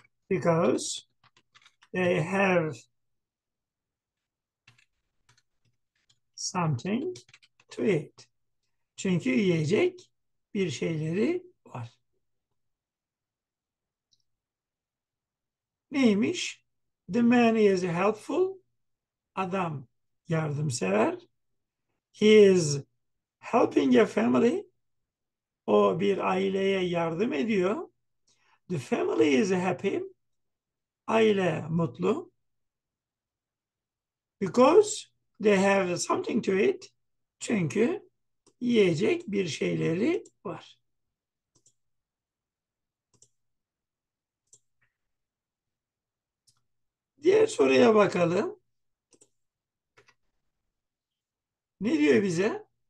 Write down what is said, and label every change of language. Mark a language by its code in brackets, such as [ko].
[en] Because they something to eat. [tr] Çünkü yiyecek bir şeyleri var. Neymiş? [en] The man is helpful. [tr] Adam yardımsever. [en] He is helping a family. [tr] O bir aileye yardım ediyor. [en] The family is happy. [tr] Aile mutlu. [en] Because they have something to eat. [tr] Çünkü yiyecek bir şeyleri var. Diğer soruya bakalım. Ne diyor bize?